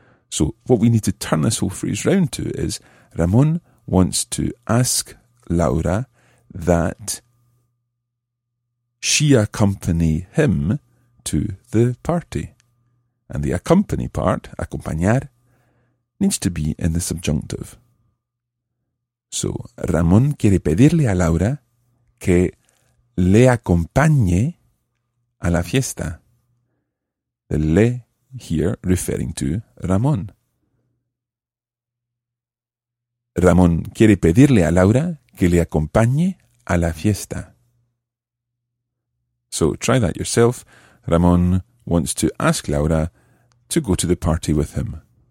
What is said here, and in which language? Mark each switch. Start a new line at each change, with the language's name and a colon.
English: So what we need to turn this whole phrase round to is Ramón wants to ask Laura that she accompany him to the party. And the accompany part, acompañar, needs to be in the subjunctive.
Spanish: So Ramón quiere pedirle a Laura que le acompañe a la fiesta.
English: The le here referring to Ramón.
Spanish: Ramón quiere pedirle a Laura que le acompañe a la fiesta.
English: So try that yourself. Ramón wants to ask Laura to go to the party with him.